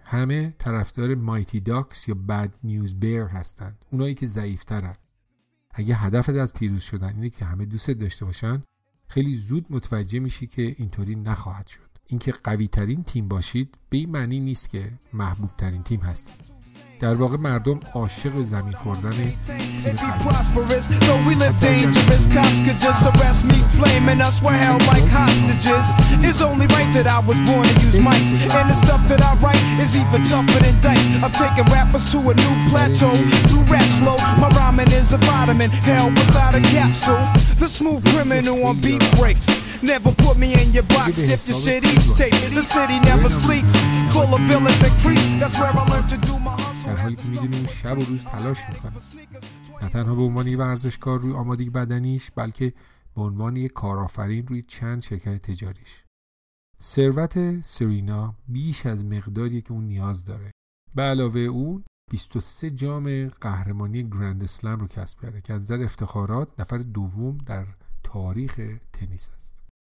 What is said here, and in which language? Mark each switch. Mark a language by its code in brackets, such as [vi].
[fa] همه طرفدار مایتی داکس یا بد نیوز بیر هستن، اونایی که ضعیفترن. اگه هدفت از پیروز شدن اینه که همه دوستت داشته باشن، خیلی زود متوجه میشی که اینطوری نخواهد شد. اینکه قوی ترین تیم باشید به این معنی نیست که محبوب ترین تیم هستید. در واقع مردم عاشق زمین خوردن [en] Never put me in your box if your shit eats tape. The city never sleeps, full of villains and creeps. That's where I learned to do my hustle. [fa] در حالی که می‌دونیم شب و روز تلاش می‌کنه، نه تنها به عنوان یه ورزشکار روی آمادگی بدنیش، بلکه به عنوان یه کارآفرین روی چند شرکت تجاریش. ثروت سرینا بیش از مقداری که اون نیاز داره. به علاوه اون 23 جام قهرمانی گرند اسلم رو کسب کرده که از نظر افتخارات نفر دوم در تاریخ تنیس است.